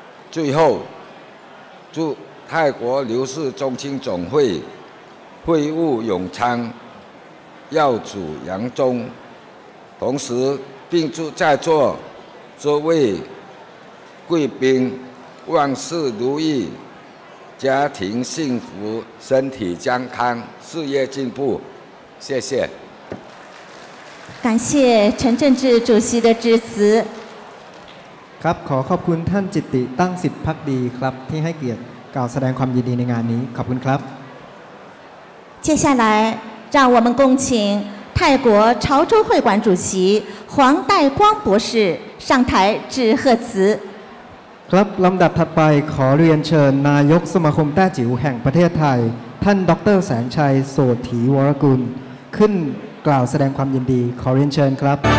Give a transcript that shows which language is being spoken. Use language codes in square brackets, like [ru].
[zh] 最后，祝泰国刘氏宗亲总会会务永昌，耀祖扬宗，同时并祝在座诸位贵宾万事如意，家庭幸福，身体健康，事业进步，谢谢。感谢陈政治主席的致辞。 [th] ครับขอขอบคุณท่านจิตติตั้งสิทธิ์ภักดีครับที่ให้เกียรติกล่าวแสดงความยินดีในงานนี้ขอบคุณครับ [zh] 接下来让我们恭请泰国潮州会馆主席黄代光博士上台致贺词 [th] ครับลำดับถัดไปขอเรียนเชิญนายกสมาคมแต้จิ๋วแห่งประเทศไทยท่านดร. แสงชัยโสถีวรกุลขึ้นกล่าวแสดงความยินดีขอเรียนเชิญครับ